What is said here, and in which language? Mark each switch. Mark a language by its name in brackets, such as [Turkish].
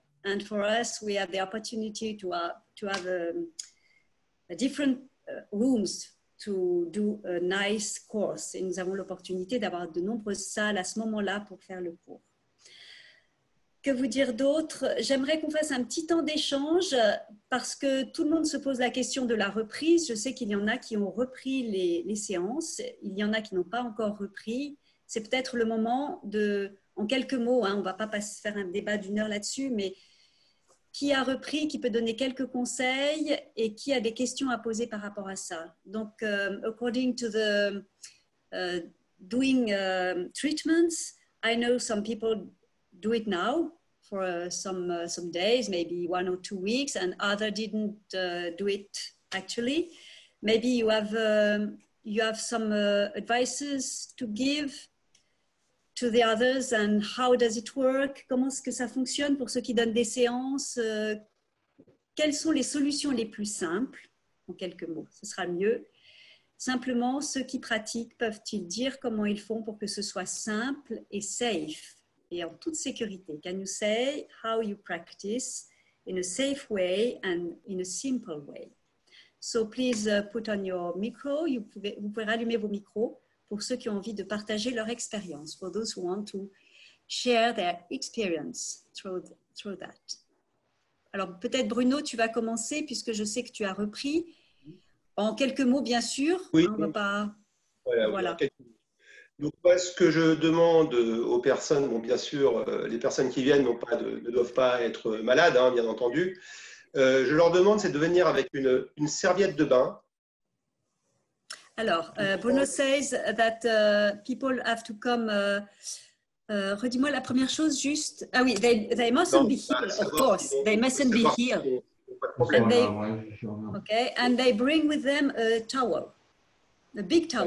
[English] And for us, we have the opportunity to have a different rooms to do a nice course. [French] Et nous avons l'opportunité d'avoir de nombreuses salles à ce moment-là pour faire le cours. Que vous dire d'autre? J'aimerais qu'on fasse un petit temps d'échange parce que tout le monde se pose la question de la reprise. Je sais qu'il y en a qui ont repris les séances, il y en a qui n'ont pas encore repris. C'est peut-être le moment de, en quelques mots, hein, on ne va pas faire un débat d'une heure là-dessus, mais qui a repris, qui peut donner quelques conseils et qui a des questions à poser par rapport à ça. [English] Donc, according to the doing treatments, I know some people do it now for some days, maybe 1 or 2 weeks, and other didn't do it actually. Maybe you have some advices to give to the others, and how does it work? [French] Comment est-ce que ça fonctionne pour ceux qui donnent des séances? Quelles sont les solutions les plus simples? En quelques mots, ce sera mieux. Simplement, ceux qui pratiquent, peuvent-ils dire comment ils font pour que ce soit simple et safe? Et en toute sécurité. [English] Can you say how you practice in a safe way and in a simple way? So please put on your micro. [French] Vous pouvez rallumer vos micros pour ceux qui ont envie de partager leur expérience. [English] For those who want to share their experience through that. [French] Alors peut-être Bruno, tu vas commencer puisque je sais que tu as repris. En quelques mots, bien sûr. Oui. On va pas. Voilà. Donc, moi, ce que je demande aux personnes, bon, bien sûr, les personnes qui viennent ne doivent pas être malades, hein, bien entendu. Je leur demande, c'est de venir avec une serviette de bain. [English] Alors, Bruno says that people have to come. [French] Redis-moi la première chose juste. Ah oui, [English] they mustn't [French] non, [English] be here, of course. They mustn't be here. [French] Pas de problème. [English] Okay, and they bring with them a towel, a big towel.